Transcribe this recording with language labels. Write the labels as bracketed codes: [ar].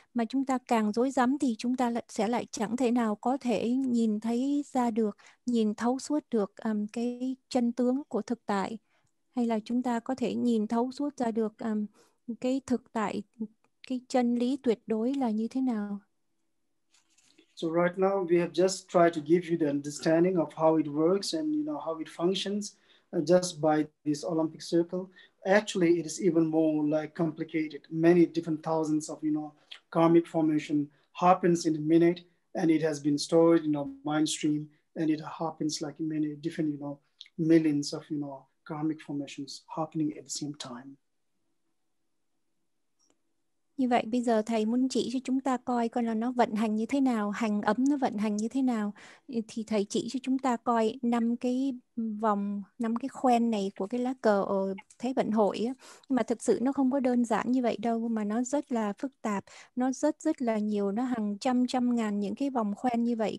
[vi] Mà chúng ta càng rối rắm thì chúng ta sẽ lại chẳng thể nào có thể nhìn thấy ra được, nhìn thấu suốt được cái chân tướng của thực tại. Hay là chúng ta có thể nhìn thấu suốt ra được cái thực tại, cái chân lý tuyệt đối là như thế nào. [en] So right now we have just tried to give you the understanding of how it works and you know how it functions just by this Olympic circle. Actually it is even more like complicated. Many different thousands of you know karmic formation happens in a minute and it has been stored in our mind stream and it happens like in many different you know millions of you know karmic formations happening at the same time. [vi] Như vậy bây giờ thầy muốn chỉ cho chúng ta coi là nó vận hành như thế nào, hành ấm nó vận hành như thế nào, thì thầy chỉ cho chúng ta coi năm cái vòng, năm cái khoen này của cái lá cờ ở Thế vận hội á. Nhưng mà thực sự nó không có đơn giản như vậy đâu, mà nó rất là phức tạp, nó rất rất là nhiều, nó hàng trăm trăm ngàn những cái vòng khoen như vậy.